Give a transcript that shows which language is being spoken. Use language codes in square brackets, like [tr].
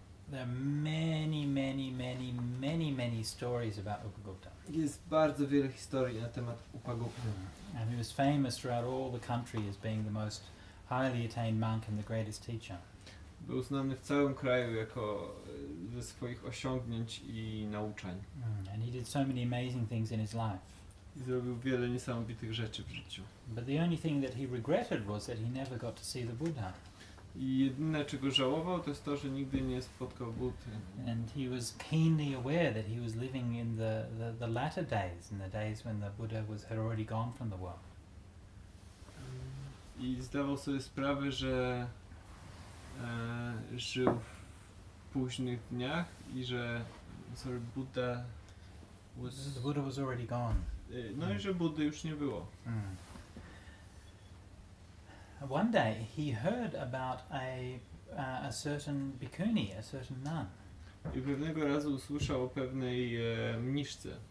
[en] There are many, many, many, many, many stories about Upagupta. [pl] Jest bardzo wiele historii na temat Upagupta. [en] And he was famous throughout all the country as being the most highly attained monk and the greatest teacher. [pl] Był znany w całym kraju jako ze swoich osiągnięć i nauczeń. [en] And he did so many amazing things in his life. [pl] I zrobił wiele niesamowitych rzeczy w życiu. [en] But the only thing that he regretted was that he never got to see the Buddha. [pl] I jedyne, czego żałował, to jest to, że nigdy nie spotkał Buddy. [en] And he was keenly aware that he was living in the latter days, in the days when the Buddha had already gone from the world. [pl] I zdawał sobie sprawę, że żył w późnych dniach i że [en] sorry, Buddha was... The Buddha was already gone. [pl] No i że Buddy już nie było. [en] One day he heard about a certain bhikkhuni, a certain nun. [pl] I pewnego razu usłyszał o pewnej mniszce.